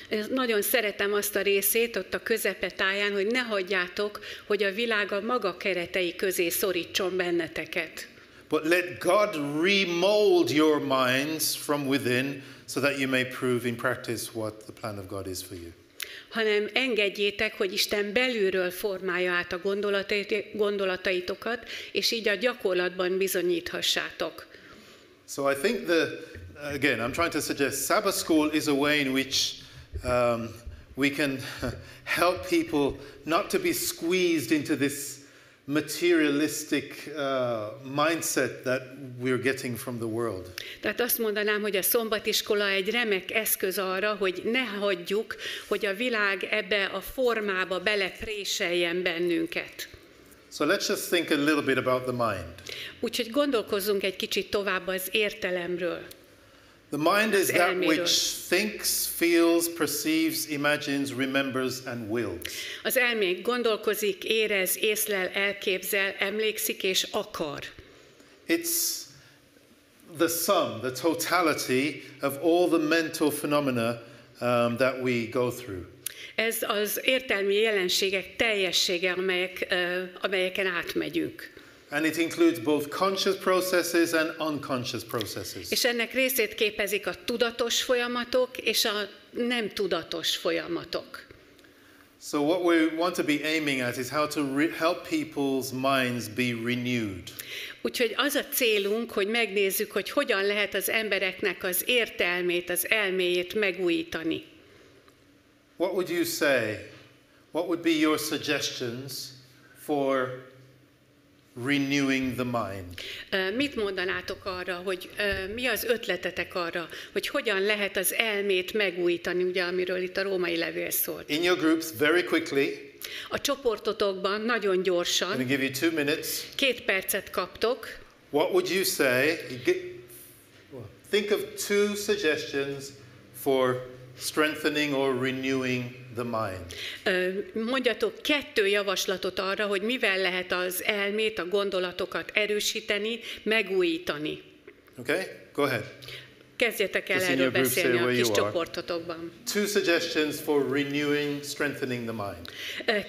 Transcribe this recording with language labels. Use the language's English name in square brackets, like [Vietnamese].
[Hungarian] Nagyon szeretem azt a részét ott a közepe táján, hogy ne hagyjátok, hogy a világ a maga keretei közé szorítson benneteket. [English] But let God remold your minds from within so that you may prove in practice what the plan of God is for you. [Hungarian] Hanem engedjétek, hogy Isten belülről formálja át a gondolataitokat, és így a gyakorlatban bizonyíthassátok. [English] So I think the, again, I'm trying to suggest, Sabbath school is a way in which we can help people not to be squeezed into this materialistic mindset that we're getting from the world. [Hungarian] Tehát azt mondanám, hogy a szombatiskola egy remek eszköz arra, hogy ne hagyjuk, hogy a világ ebbe a formába belepréseljen bennünket. [English] So let's just think a little bit about the mind. [Hungarian] Úgyhogy gondolkozzunk egy kicsit tovább az értelemről. [English] The mind is that which thinks, feels, perceives, imagines, remembers, and wills. [Hungarian] Az elmé gondolkozik, érez, észlel, elképzel, emlékszik és akar. [English] It's the sum, the totality of all the mental phenomena that we go through. [Hungarian] Ez az értelmi jelenségek teljessége, amelyeken átmegyünk. [English] And it includes both conscious processes and unconscious processes. [Hungarian] És ennek részét képezik a tudatos folyamatok és a nem tudatos folyamatok. [English] So what we want to be aiming at is how to help people's minds be renewed. [Hungarian] Úgyhogy az a célunk, hogy megnézzük, hogy hogyan lehet az embereknek az értelmét, az elméjét megújítani. [English] What would you say? What would be your suggestions for renewing the mind? [Hungarian] Mit mondanátok arra, hogy mi az ötletetek arra, hogy hogyan lehet az elmét megújítani, ugye, amiről itt a római levél szólt? [English] In your groups, very quickly. [Hungarian] A csoportotokban nagyon gyorsan. [English] I'll give you 2 minutes. [Hungarian] Két percet kaptok. [English] What would you say? Think of 2 suggestions for strengthening or renewing the mind. [Hungarian] Mondjatok 2 javaslatot arra, hogy mivel lehet az elmét, a gondolatokat erősíteni, megújítani. [English] Okay, go ahead. [Hungarian] Kezdjetek el erről beszélni a kis csoportotokban. [English] 2 suggestions for renewing, strengthening the mind.